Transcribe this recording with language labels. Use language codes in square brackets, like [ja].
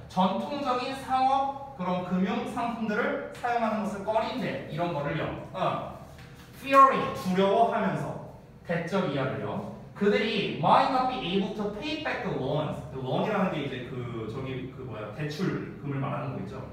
[ko] 전통적인 상업 그런 금융 상품들을 사용하는 것을 꺼린대. 이런 거를요. [en] fearing, [ko] 두려워하면서 대적 이하를요. 그들이 [en] might not be able to pay back the loans. [ko] The loan이라는 게 이제 대출금을 말하는 거 있죠.